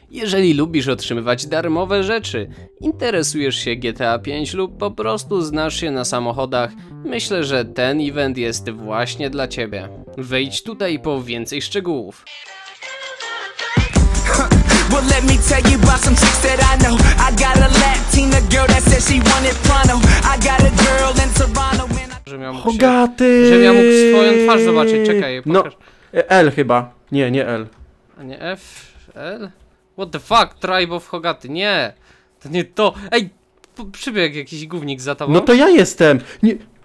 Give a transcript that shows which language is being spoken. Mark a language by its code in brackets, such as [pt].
[pl] Jeżeli lubisz otrzymywać darmowe rzeczy, interesujesz się GTA 5 lub po prostu znasz się na samochodach, myślę, że ten event jest właśnie dla ciebie. Wejdź tutaj po więcej szczegółów. [en] Well, let me tell you about some chicks that I know. I got a Latina girl that said she wanted Prano. I got a girl in Toronto. Hogaty! [pl] Żebym ja mógł swoją twarz zobaczyć, czekaj, pokaż. No, L chyba. Nie, nie L. A nie F? L? [en] What the fuck? [pl] Tribe of Hogaty, nie! To nie to! Ej! Przybiegł jakiś gównik za tobą. No to ja jestem! Nie.